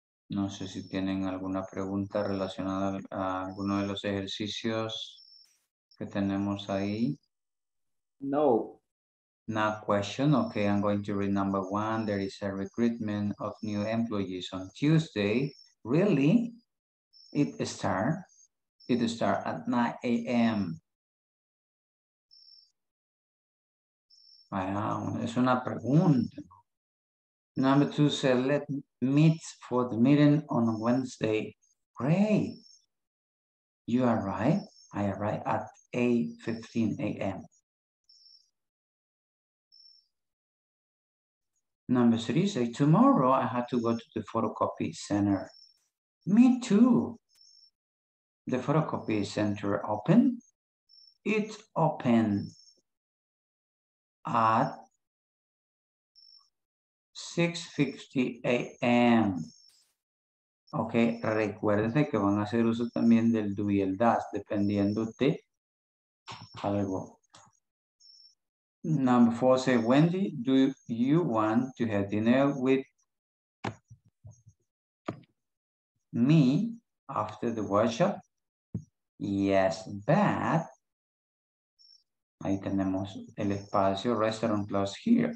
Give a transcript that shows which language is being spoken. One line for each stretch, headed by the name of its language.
Spanish: No sé si tienen alguna pregunta relacionada a alguno de los ejercicios que tenemos ahí. No.
English: No question. Okay, I'm going to read number one. There is a recruitment of new employees on Tuesday. Really? It start at 9 a.m. Wow,
Spanish: es una pregunta.
English: Number two said, let's meet for the meeting on Wednesday. Great. You are right. I arrive at 8:15 a.m. Number three say, tomorrow I have to go to the photocopy center. Me too. The photocopy center open? It's open at 6:50 a.m.
Spanish: Ok, recuérdense que van a hacer uso también del do y el does, dependiendo de algo.
English: Number four say, Wendy, do you want to have dinner with me after the workshop? Yes, but
Spanish: ahí tenemos el espacio
English: restaurant plus here.